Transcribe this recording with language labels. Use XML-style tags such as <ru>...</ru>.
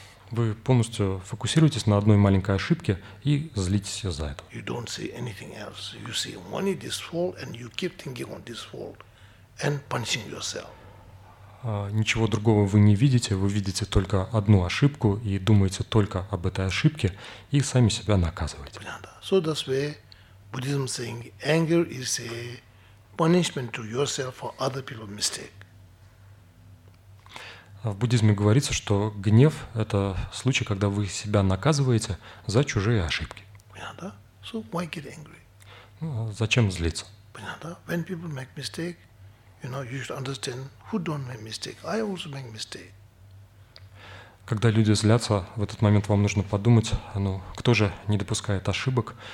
<ru>Вы полностью фокусируетесь на одной маленькой ошибке и злитесь из-за этого.</ru> <en>You don't see anything else. You see only this fault, and you keep thinking on this fault and punishing yourself.</en> <ru>Ничего другого вы не видите, вы видите только одну ошибку и думаете только об этой ошибке и сами себя наказываете.</ru> <en>So that's where Buddhism saying anger is a punishment to yourself for other people's mistake.</en> <ru>В буддизме говорится, что гнев – это случай, когда вы себя наказываете за чужие ошибки. Понятно?</ru> <en>So why get angry?</en> <ru>Ну, зачем злиться? Понятно?</ru> <en>When people make mistake, you know, you should understand who don't make mistake. I also make mistake.</en> <ru>Когда люди злятся, в этот момент вам нужно подумать, ну, кто же не допускает ошибок?</ru>